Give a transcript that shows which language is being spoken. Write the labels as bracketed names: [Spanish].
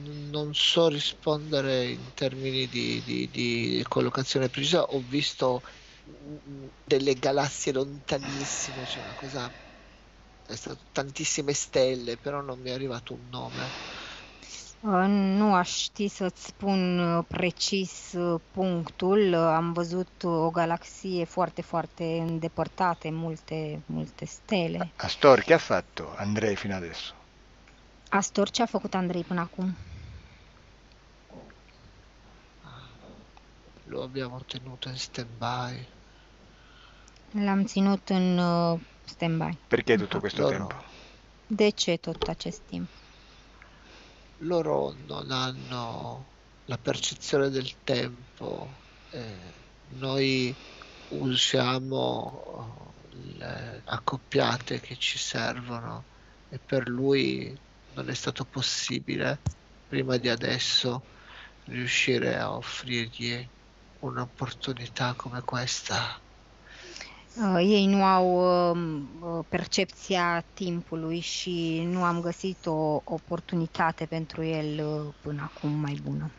[Italian] Non so rispondere in termini di collocazione precisa, ho visto delle galassie lontanissime, c'è cioè una cosa, è stato tantissime stelle, però non mi è arrivato un nome. [Romanian] Nu aș ști să-ți spun precis punctul. Am văzut o galaxie foarte, foarte îndepărtată, multe, multe stele. [Italian] Astor, che ha fatto Andrei fino adesso? [Romanian] Astor, ce a făcut Andrei până acum? [Italian] Lo abbiamo tenuto in stand-by. Perché [Romanian] L-am ținut în stand-by. [Italian] tutto questo tempo? Loro. [Romanian] De ce tot acest timp? [Italian] Loro non hanno la percezione del tempo. Noi usiamo le accoppiate che ci servono e per lui non è stato possibile prima di adesso riuscire a offrirgli un'opportunità come questa. [Romanian] Ei nu au percepția timpului și nu am găsit o oportunitate pentru el până acum mai bună.